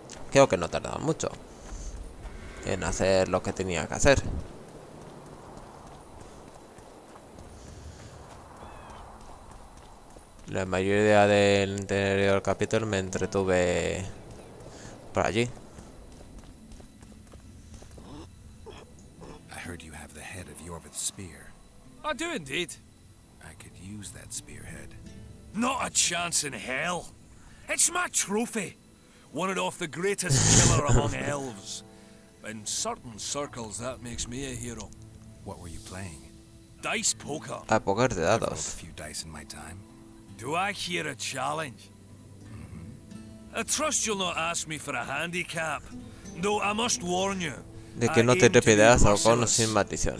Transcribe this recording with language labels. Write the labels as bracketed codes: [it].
[es] Creo que no tardaba mucho en hacer lo que tenía que hacer. La mayoría del anterior capítulo me entretuve por allí. [en] I heard you have the head of Yorvith's spear. I do indeed. Use that spearhead. Not a chance in hell. It's my trophy. Won it off the greatest killer among elves. In certain circles, that makes me a hero. What were you playing? Dice poker. [es] A poker de dados. [en] I've rolled a few dice in my time. Do I hear a challenge? Mm-hmm. I trust you'll not ask me for a handicap. Though I must warn you. [es] De que no te trepidas al con o sin maldiciones.